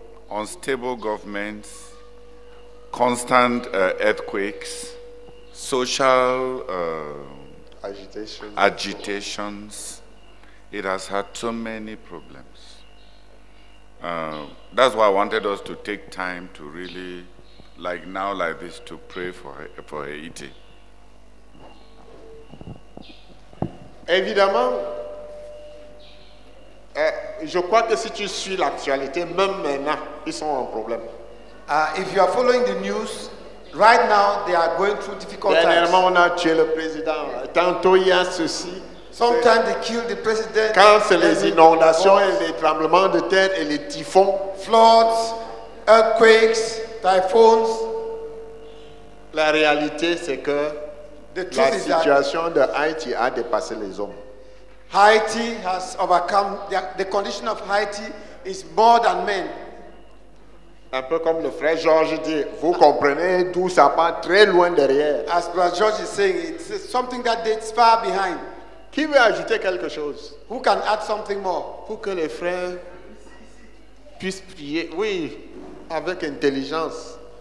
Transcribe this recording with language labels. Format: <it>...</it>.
<en>Unstable governments, constant earthquakes, social agitations. It has had so many problems. That's why I wanted us to take time to really, like now, like this, to pray for Haiti.</en> <fr>Évidemment, je crois que si tu suis l'actualité, même maintenant, ils sont en problème.</fr> <en>If you are following the news, right now, they are going through difficult times.</en> <fr>Dernièrement, on a tué le président. Tantôt, il y a ceci.</fr> <en>Sometimes they kill the president.</en> <fr>Quand c'est les inondations et les tremblements de terre et les typhons.</fr> <en>Floods, earthquakes, typhoons.</en> <fr>La réalité, c'est que la situation de Haïti a dépassé les hommes.</fr> <en>Haïti has overcome, the condition of Haïti is more than men.</en> <fr>Un peu comme le frère Georges dit, vous comprenez d'où ça part très loin derrière.</fr> <en>As Brother George is saying, it's something that dates far behind.</en> <fr>Qui veut ajouter quelque chose?</fr> <en>Who can add something more?</en> <fr>Pour que les frères puissent prier, oui, avec intelligence.</fr>